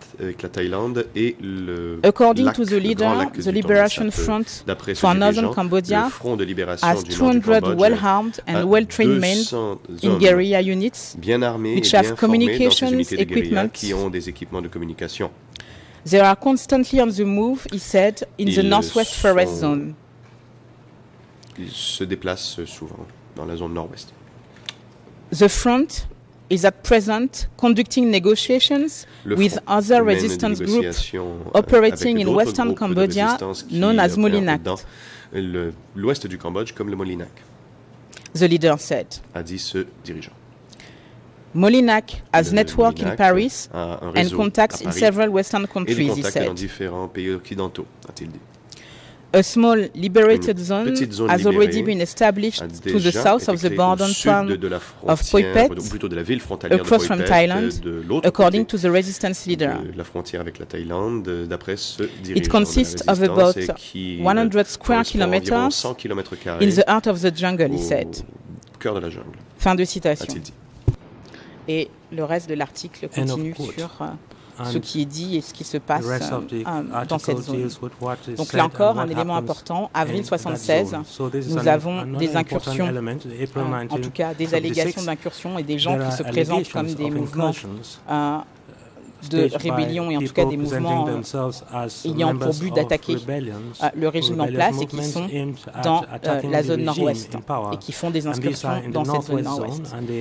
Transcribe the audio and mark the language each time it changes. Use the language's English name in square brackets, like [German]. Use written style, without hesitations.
[English] According to the leader, the Liberation Front for Northern Cambodia has 200 well-armed and well-trained men in guerrilla units, which have communications equipment. They are constantly on the move, he said, in the Northwest Forest Zone. [French] Ils se déplacent souvent dans la zone nord-ouest. [English] The front is at present conducting negotiations with other resistance groups operating in western Cambodia known as Molinac. [French] L'ouest du Cambodge comme le Molinac. [English] the leader said. [French] A dit ce dirigeant. [English] Molinac has network in Paris and contacts in several Western countries, he said. [French] Dans différents pays occidentaux, a-t-il dit. [English] A small liberated zone has already been established to the south of the border town of Poipet, [French] plutôt de la ville frontalière [English] across [French] de Poipet, [English] from Thailand, according to the resistance leader. [French] La frontière avec la Thaïlande, d'après ce dirigeant. It consists of about 100 square kilometers in the heart of the jungle, he said. Au cœur de la jungle. Fin de citation. Et le reste de l'article continue sur ce qui est dit et ce qui se passe dans cette zone. Donc là encore, un élément important, avril 76, nous avons des incursions, en tout cas des allégations d'incursions et des gens qui se présentent comme des mouvements de rébellion et en tout cas des mouvements ayant pour but d'attaquer le régime en place et qui sont dans la zone nord-ouest et qui font des incursions dans cette zone nord-ouest.